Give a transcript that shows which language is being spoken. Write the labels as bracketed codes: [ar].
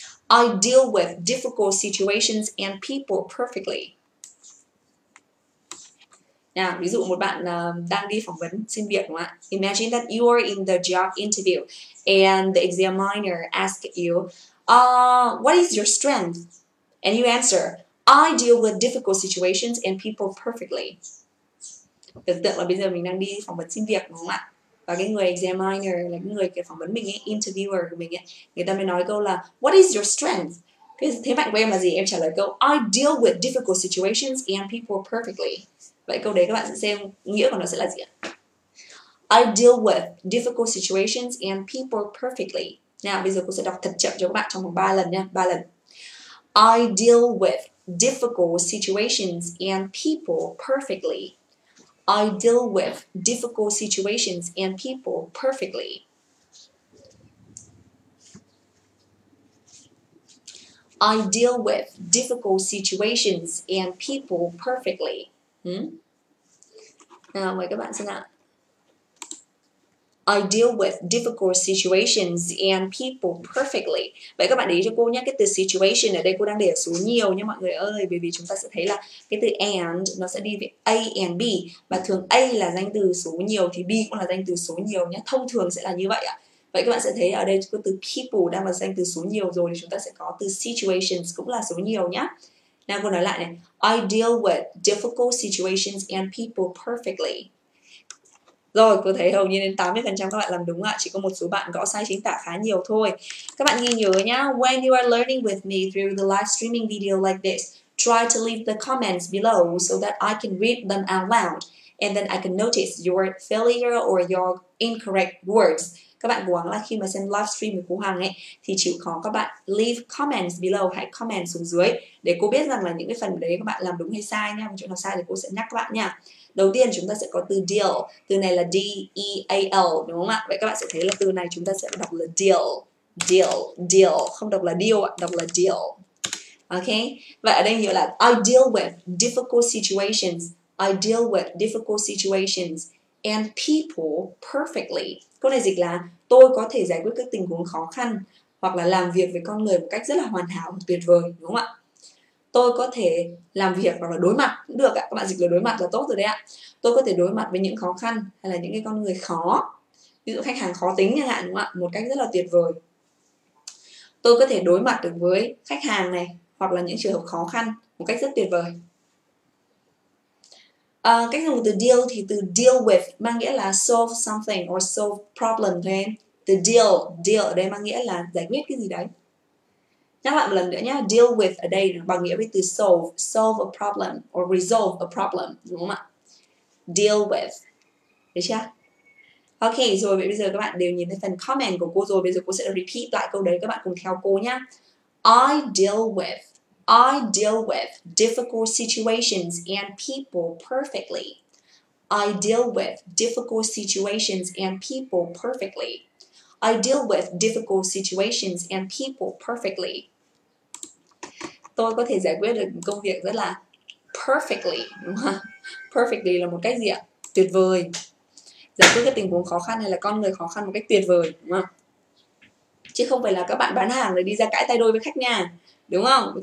[en] I deal with difficult situations and people perfectly. [vi] Nào, ví dụ một bạn đang đi phỏng vấn xin việc đúng không ạ? [en] Imagine that you are in the job interview and the examiner asks you, what is your strength? And you answer, I deal with difficult situations and people perfectly. [vi] Tưởng tượng là bây giờ mình đang đi phỏng vấn xin việc đúng không ạ? Và cái người examiner là cái người cái phỏng vấn mình ấy, interviewer của mình ấy, người ta mới nói câu là [en] what is your strength? [vi] Cái thế mạnh của em là gì? Em trả lời câu [en] I deal with difficult situations and people perfectly. [vi] Vậy câu đấy các bạn sẽ xem nghĩa của nó sẽ là gì ạ? [en] I deal with difficult situations and people perfectly. [vi] Nào bây giờ cô sẽ đọc thật chậm cho các bạn trong vòng 3 lần nha, 3 lần. [en] I deal with difficult situations and people perfectly. I deal with difficult situations and people perfectly. I I deal with difficult situations and people perfectly. [vi] Nào, mời các bạn xem nào. [en] I deal with difficult situations and people perfectly. [vi] Vậy các bạn để ý cho cô nhé, cái từ situation ở đây cô đang để ở số nhiều nha mọi người ơi, bởi vì chúng ta sẽ thấy là cái từ and nó sẽ đi với A and B, và thường A là danh từ số nhiều thì B cũng là danh từ số nhiều nhé, thông thường sẽ là như vậy ạ. Vậy các bạn sẽ thấy ở đây có từ people đang là danh từ số nhiều rồi, thì chúng ta sẽ có từ situations cũng là số nhiều nhé. Nào cô nói lại này, [en] I deal with difficult situations and people perfectly. [vi] Rồi, cô thấy hầu như đến 80% các bạn làm đúng ạ. Chỉ có một số bạn gõ sai chính tả khá nhiều thôi. Các bạn ghi nhớ nhá. [en] When you are learning with me through the live streaming video like this, try to leave the comments below so that I can read them out loud. And then I can notice your failure or your incorrect words. [vi] Các bạn cố gắng là khi mà xem live stream của cô Hằng ấy, thì chịu khó các bạn [en] leave comments below, [vi] hãy comment xuống dưới để cô biết rằng là những cái phần đấy các bạn làm đúng hay sai nha. Một chỗ nào sai thì cô sẽ nhắc các bạn nha. Đầu tiên chúng ta sẽ có từ deal, từ này là D-E-A-L, đúng không ạ? Vậy các bạn sẽ thấy là từ này chúng ta sẽ đọc là deal, deal, deal, không đọc là deal, đọc là deal. [en] Ok, [vi] vậy ở đây hiểu là [en] I deal with difficult situations, I deal with difficult situations and people perfectly. [vi] Câu này dịch là tôi có thể giải quyết các tình huống khó khăn hoặc là làm việc với con người một cách rất là hoàn hảo, tuyệt vời, đúng không ạ? Tôi có thể làm việc hoặc là đối mặt cũng được ạ. Các bạn dịch là đối mặt là tốt rồi đấy ạ. Tôi có thể đối mặt với những khó khăn hay là những cái con người khó, ví dụ khách hàng khó tính chẳng hạn, đúng không ạ? Một cách rất là tuyệt vời. Tôi có thể đối mặt được với khách hàng này hoặc là những trường hợp khó khăn một cách rất tuyệt vời. Cách dùng từ deal thì từ deal with mang nghĩa là [en] solve something or solve problem [vi] thôi em. Từ deal, deal ở đây mang nghĩa là giải quyết cái gì đấy. Nhắc lại một lần nữa nhá, deal with ở đây bằng nghĩa với từ solve, [en] solve a problem or resolve a problem, [vi] đúng không ạ? Deal with, được chưa? Ok, rồi vậy bây giờ các bạn đều nhìn thấy phần comment của cô rồi, bây giờ cô sẽ repeat lại câu đấy, các bạn cùng theo cô nhá. [en] I deal with difficult situations and people perfectly. I deal with difficult situations and people perfectly. I deal with difficult situations and people perfectly. [vi] Tôi có thể giải quyết được công việc rất là perfectly. Perfectly là một cách gì ạ? Tuyệt vời. Giải quyết cái tình huống khó khăn hay là con người khó khăn một cách tuyệt vời, đúng không? Chứ không phải là các bạn bán hàng rồi đi ra cãi tay đôi với khách nha, đúng không?